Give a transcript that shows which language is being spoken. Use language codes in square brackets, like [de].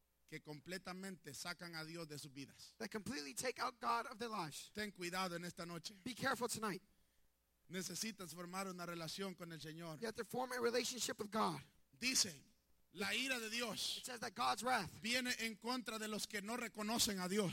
[es] Que completamente sacan a Dios de sus vidas. [en] That completely take out God of their lives. [es] Ten cuidado en esta noche. [en] Be careful tonight. [es] Necesitas formar una relación con el Señor. [en] You have to form a relationship with God. [es] Dice, la ira de Dios. [en] It says that God's wrath. [es] Viene en contra de los que no reconocen a Dios.